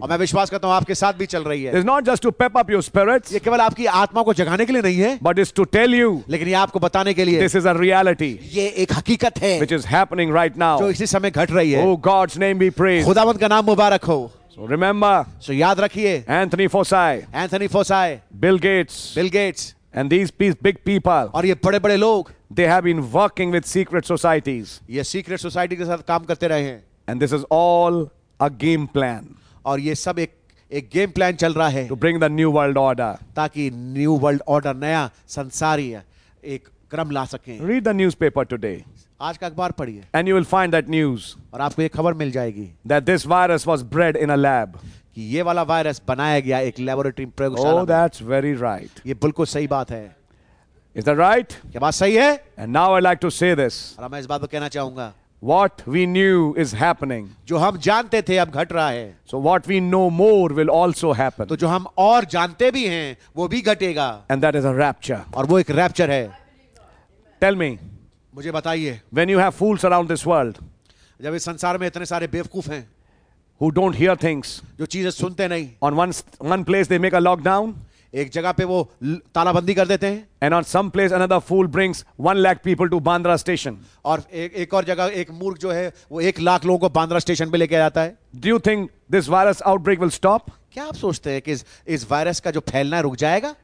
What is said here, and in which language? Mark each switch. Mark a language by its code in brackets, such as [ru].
[hi] और मैं विश्वास करता हूं आपके साथ भी चल रही है [en] it's not just to pep up your spirits [hi] ये केवल आपकी आत्मा को जगाने के लिए नहीं है [en] but it's to tell you [hi] लेकिन ये आपको बताने के लिए [en] this is a reality [hi] ये एक हकीकत है [en] which is happening right now [hi] जो इसी समय घट रही है [en] O God's name be praised [hi] खुदावंत का नाम मुबारक हो [en] So remember, [hi] so याद रखिए [en] Anthony Fauci, Bill Gates, and these big people, [hi] और ये बड़े बड़े लोग, [en] they have been working with secret societies, [hi] ये secret society के साथ काम करते रहे हैं, [en] and this is all a game plan, [hi] और ये सब एक गेम प्लान चल रहा है, [en] to bring the new world order, [hi] ताकि new world order नया संसारीय एक क्रम ला सकें. [en] Read the newspaper today. [hi] आज का अखबार पढ़िए [en] and you will find that news [hi] और आपको ये खबर मिल जाएगी [en] that this virus was bred in a lab [hi] कि ये वाला वायरस बनाया गया एक लेबोरेटरी [en] प्रयोगशाला oh that's very right [hi] ये बिल्कुल सही बात है [en] is that right [hi] क्या बात सही है [en] and now I like to say this [hi] और मैं इस बात को कहना चाहूंगा [en] What we knew is happening. [hi] जो हम जानते थे अब घट रहा है. [en] So what we know more will also happen. [hi] तो जो हम और जानते भी हैं वो भी घटेगा. [en] And that is a rapture. [hi] और वो एक रैप्चर है. [en] Tell me. [hi] मुझे बताइए. [en] When you have fools around this world. [hi] जब इस संसार में इतने सारे बेवकूफ हैं. [en] Who don't hear things. [hi] जो चीजें सुनते नहीं. [en] On one place they make a lockdown. [hi] एक जगह पे वो तालाबंदी कर देते हैं [en] and on some place another fool brings 1 lakh people to Bandra station [hi] और एक और जगह एक मूर्ख जो है वो 1 lakh लोगों को बांद्रा स्टेशन पे लेके जाता है [en] do you think this virus outbreak will stop [hi] क्या आप सोचते हैं कि इस वायरस का जो फैलना है रुक जाएगा